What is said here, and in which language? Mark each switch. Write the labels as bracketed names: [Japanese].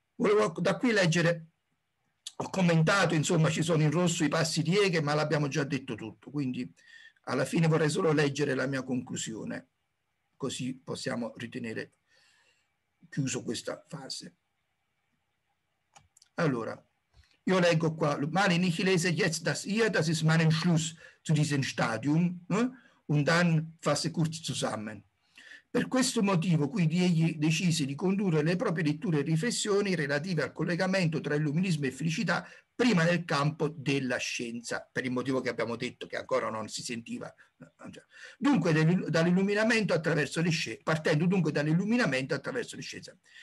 [Italian] Volevo da qui leggere, ho commentato, insomma, ci sono in rosso i passi di Hegel, ma l'abbiamo già detto tutto, quindi alla fine vorrei solo leggere la mia conclusione, così possiamo ritenere chiuso questa fase. Allora, io leggo qua, [German] Malin, ich lese jetzt das hier, das ist mein Entschluss zu diesem Stadium, und dann fasse kurz zusammen. [Italian] Per questo motivo, quindi, egli decise di condurre le proprie letture e riflessioni relative al collegamento tra illuminismo e felicità prima nel campo della scienza, per il motivo che abbiamo detto, che ancora non si sentiva. Dunque, dall'illuminamento attraverso le scienze, partendo dunque dall'illuminamento attraverso le scienze.